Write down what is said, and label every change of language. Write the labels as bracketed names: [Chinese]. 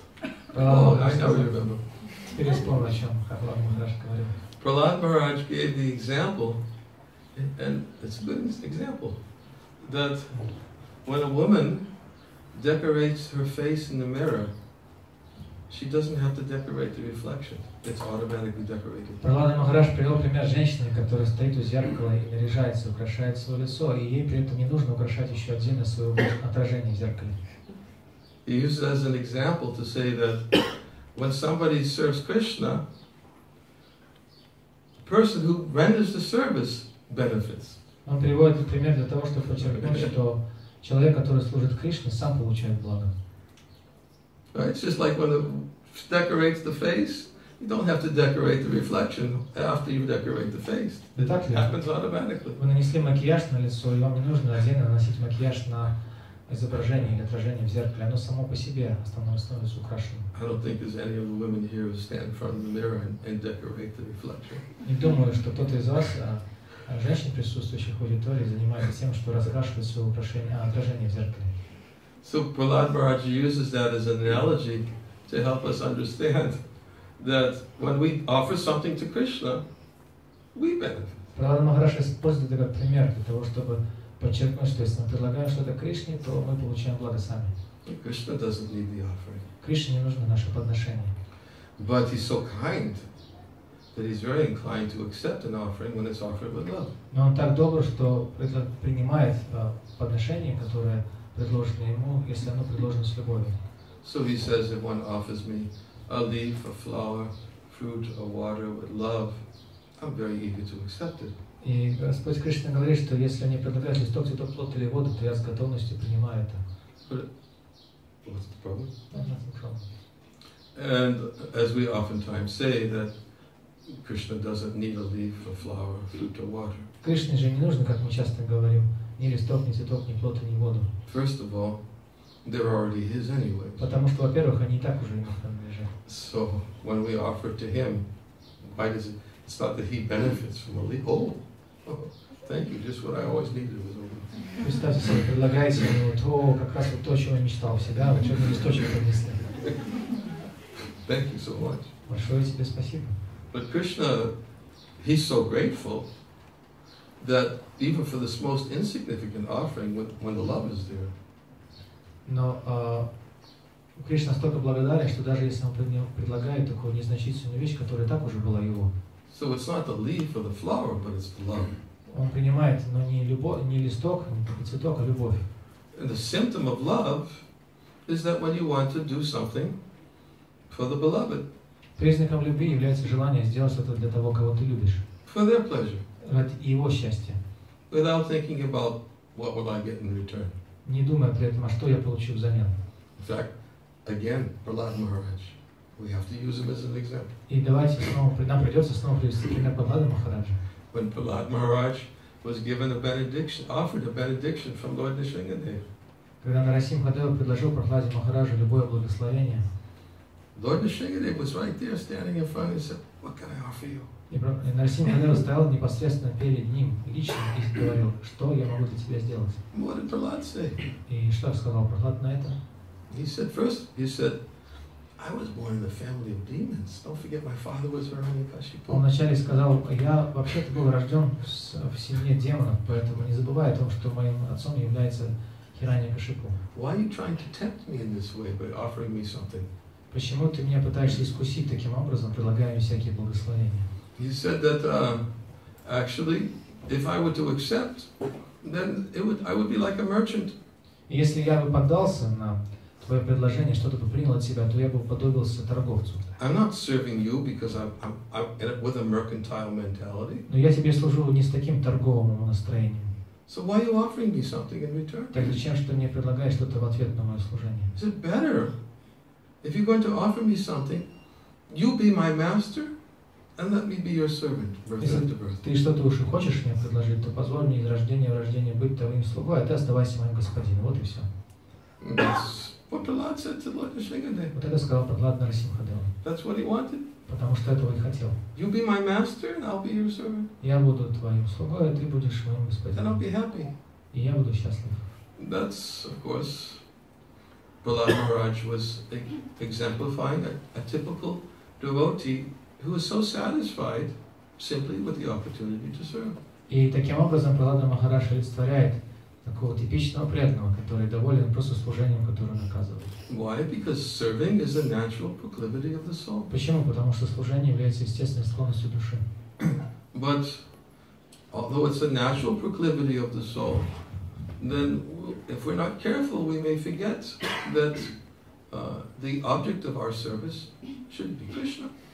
[English] I remember. Prahlad Maharaj gave the example, and it's a good example, that when a woman decorates her face in the mirror, she doesn't have to decorate the reflection. It's automatically decorated. [Russian] Prahlad Maharaj привел пример женщины, которая стоит у зеркала и наряжается, украшает свое лицо, и ей при этом не нужно украшать еще отдельно свое отражение в зеркале. [English] He uses as an example to say that when somebody serves Krishna, the person who renders the service benefits. [Russian] Он приводит пример для того, чтобы подчеркнуть, что человек, который служит Кришне, сам получает благо. [English] Right? It's just like when it decorates the face, you don't have to decorate the reflection after you decorate the face. It happens automatically. [Russian] Вы нанесли макияж на лицо, и вам не нужно отдельно наносить макияж на изображение или отражение в зеркале. Оно само по себе становится украшенным. [English] I don't think there's any of the women here who stand in front of the mirror and decorate the reflection. [Russian] Не думаю, что кто-то из вас, женщин, присутствующих в аудитории, занимается тем, что раскрашивает свое украшение, отражение в зеркале. [English] So Prahlad Maharaj uses that as an analogy to help us understand that when we offer something to Krishna, we benefit. [Russian] Prahlad Maharaj использует этот пример для того, чтобы подчеркнуть, что если мы предлагаем что-то Кришне, то мы получаем благо сами. [English] Krishna doesn't need the offering. [Russian] Кришне не нужно наше подношение. [English] But he's so kind that he's very inclined to accept an offering when it's offered with love. [Russian] Но он так добр, что принимает подношение, которое предложено ему, если оно предложено с любовью. [English] So he says, if one offers me a leaf, a flower, fruit, or water with love, I'm very eager to accept it. [Russian] И Господь Кришна говорит, что если они предлагают листок, цветок, плод или воду, то я с готовностью принимаю это. [English] What's the problem? Nothing wrong. And as we oftentimes say, that Krishna doesn't need a leaf, a flower, fruit, or water. [Russian] Кришне же не нужно, как мы часто говорим, ни листок, ни цветок, ни плод, ни воду. [English] First of all, they're already his anyway. [Russian] Потому что, во-первых, они и так уже ему принадлежат. [English] So when we offer to him, why does it? It's not that he benefits from a leaf. Oh, thank you. Just what I always needed was a leaf. [Russian] Представьте себе, предлагаете ему то, как раз вот то, чего я мечтал всегда, вот что-то листочек принесли. [English] Thank you so much. [Russian] Большое тебе спасибо. [English] But Krishna, he's so grateful that even for the most insignificant offering, when the love is there. [Russian] Но Кришна столько благодарен, что даже если он предлагает такую незначительную вещь, которая так уже была его. [English] So it's not the leaf or the flower, but it's the love. [Russian] Он принимает, но не любовь, не листок, не цветок, а любовь. [English] And the symptom of love is that when you want to do something for the beloved. [Russian] Признаком любви является желание сделать что-то для того, кого ты любишь. [English] For their pleasure. [Russian] Ради его счастья. [English] Without thinking about what will I get in return. [Russian] Не думая при этом, а что я получу взамен. [English] In fact, again, Prahlad Maharaj, we have to use him as an example. [Russian] И давайте снова, нам придется снова привести пример Прахлада Махараджа. [English] When Prahlad Maharaj was given a benediction, offered a benediction from Lord Nishinganev. [Russian] Когда Нарасим Хадева предложил Прахладе Махараджу любое благословение. [English] Lord Nishinganev was right there, standing in front, and said, "What can I offer you?" [Russian] И Нарасим Хадева стоял непосредственно перед ним лично и говорил, что я могу для тебя сделать. [English] What did Prahlad say? [Russian] И что сказал Прахлад на это? [English] He said, first, he said, I was born in a family of demons. Don't forget my father was Hiranyakashipu. [Russian] Он вначале сказал, я вообще-то был рожден в семье демонов, поэтому не забывай о том, что моим отцом является Хираньякашипу. [English] Why are you trying to tempt me in this way by offering me something? [Russian] Почему ты меня пытаешься искусить таким образом, предлагая мне всякие благословения? [English] He said that actually, if I were to accept, then I would be like a merchant. [Russian] Если я бы поддался на твое предложение, что-то бы принял от себя, то я бы уподобился торговцу. [English] I'm not serving you because I'm with a mercantile mentality. [Russian] Но я тебе служу не с таким торговым настроением. [English] So why are you offering me something in return? [Russian] Так зачем же ты мне предлагаешь что-то в ответ на мое служение? [English] Is it better? If you're going to offer me something, you be my master and let me be your servant [Russian] Ты что-то уж хочешь мне предложить, то позволь мне из рождения в рождение быть твоим слугой, а ты оставайся моим господином. Вот и все. Вот это сказал Прохлад Нарасимхадева. [English] That's what he wanted. [Russian] Потому что этого и хотел. [English] You be my master and I'll be your servant. [Russian] Я буду твоим слугой, а ты будешь моим господином. [English] And I'll be happy. [Russian] И я буду счастлив. [English] That's, of course, Prahlad Maharaj was exemplifying a typical devotee who was so satisfied simply with the opportunity to serve. [Russian] И таким образом Прохлад Махарадж олицетворяет такого типичного преданного, который доволен просто служением, которое он оказывает. [English] Why? Because serving is a natural proclivity of the soul. [Russian] Почему? Потому что служение является естественной склонностью души. [English] But although it's a natural proclivity of the soul, then if we're not careful, we may forget that the object of our service should be Krishna.